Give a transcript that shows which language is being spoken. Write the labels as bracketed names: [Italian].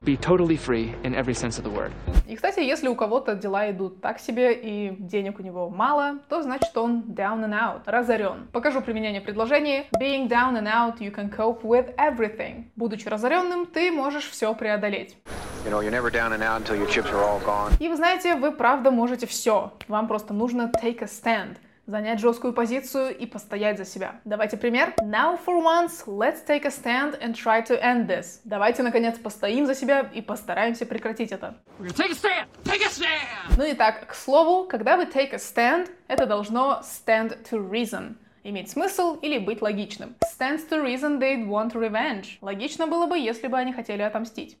[English] Be totally free in every sense of the word. [Russian] И, кстати, если у кого-то дела идут так себе и денег у него мало, то значит он [English] down and out, [Russian] разорен. Покажу применение предложения. [English] Being down and out, you can cope with everything. [Russian] Будучи разоренным, ты можешь все преодолеть. [English] You know, you're never down and out until your chips are all gone. [Russian] И вы знаете, вы правда можете все. Вам просто нужно [English] take a stand. [Russian] Занять жесткую позицию и постоять за себя. Давайте пример. [English] Now for once, let's take a stand and try to end this. [Russian] Давайте, наконец, постоим за себя и постараемся прекратить это. [English] Take a stand! Take a stand! [Russian] Ну и так, к слову, когда вы [English] take a stand, [Russian] это должно [English] stand to reason. [Russian] Иметь смысл или быть логичным. [English] Stands to reason they'd want revenge. [Russian] Логично было бы, если бы они хотели отомстить.